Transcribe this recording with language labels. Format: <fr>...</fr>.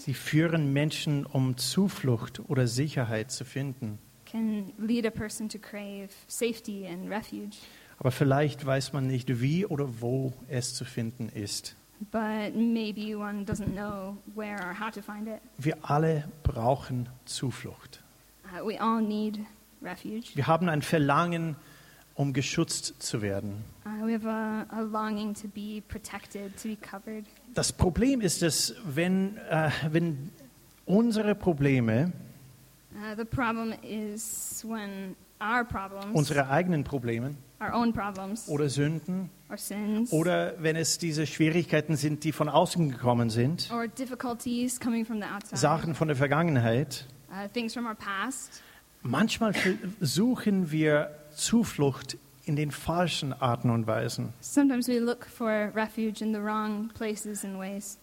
<de>Sie führen Menschen, um Zuflucht oder Sicherheit zu finden.</de> <en>Can lead a person to crave safety and refuge.</en> <de>Aber vielleicht weiß man nicht, wie oder wo es zu finden ist.</de> <en>But maybe one doesn't know where or how to find it.</en> <de>Wir alle brauchen Zuflucht.</de> <en>We all need refuge.</en> <de>Wir haben ein Verlangen, um geschützt zu werden.</de> <en>We have a longing to be protected, to be covered.</en> <de>Das Problem ist, dass wenn unsere Probleme</de> <en>The problem is when our problems,</en> <de>unsere eigenen Probleme,</de> <en>our own problems,</en> <de>oder Sünden,</de> <en>or sins,</en> <de>oder wenn es diese Schwierigkeiten sind, die von außen gekommen sind,</de> <en>or difficulties coming from the outside,</en> <de>Sachen von der Vergangenheit,</de> <en>things from our past.</en> <de>Manchmal suchen wir Zuflucht in den falschen Arten und Weisen.</de> <en>Sometimes we look for refuge in the wrong places and ways.</en>